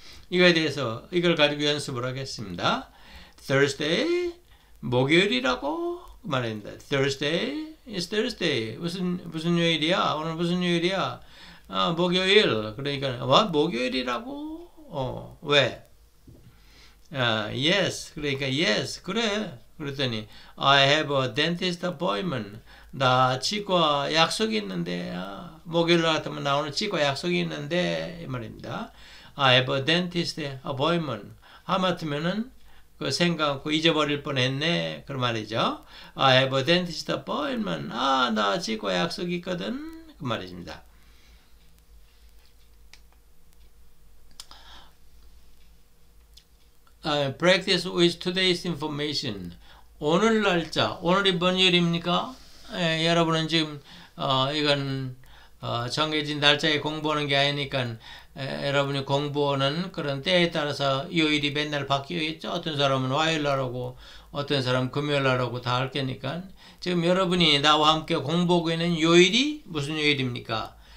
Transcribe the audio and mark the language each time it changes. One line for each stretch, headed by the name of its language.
Korean: 이거에 대해서 이걸 가지고 연습을 하겠습니다. Thursday 목요일이라고 말했는데
English: Thursday is Thursday
Korean: 무슨 요일이야? 오늘 무슨 요일이야? 목요일 그러니까 와 목요일이라고? 왜? Yes 그러니까 yes 그래. 그랬더니
English: I have a dentist appointment.
Korean: 나 치과 약속이 있는데 목요일 같으면 나 오늘 치과 약속이 있는데 이 말입니다.
English: I have a dentist appointment.
Korean: 하마터면은 그 생각 갖고 잊어버릴 뻔했네 그런 말이죠.
English: I have a dentist appointment.
Korean: 아, 나 치과 약속 있거든 그 말입니다.
English: practice with today's information.
Korean: 오늘 날짜, 오늘이 뭔 일입니까? 예, 여러분은 지금 이건 정해진 날짜에 공부하는 게 아니니까 여러분이 공부하는 그런 때에 따라서 요일이 맨날 바뀌겠죠. 어떤 사람은 화요일 날 하고 어떤 사람은 금요일 날 하고 다할 테니까 지금 여러분이 나와 함께 공부하고 있는 요일이 무슨 요일입니까?